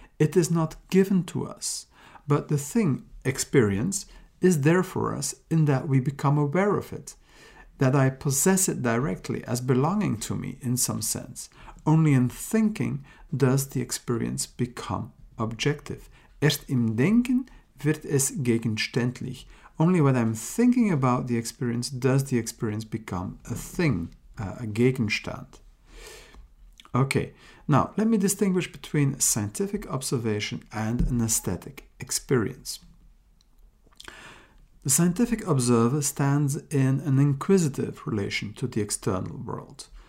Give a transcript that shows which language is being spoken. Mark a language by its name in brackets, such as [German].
[English] It is not given to us. But the thing, experience, is there for us in that we become aware of it, that I possess it directly as belonging to me in some sense. Only in thinking does the experience become objective. [German] Erst im Denken wird es gegenständlich. [English] Only when I'm thinking about the experience does the experience become a thing. A Gegenstand. Okay, now let me distinguish between scientific observation and an aesthetic experience. The scientific observer stands in an inquisitive relation to the external world.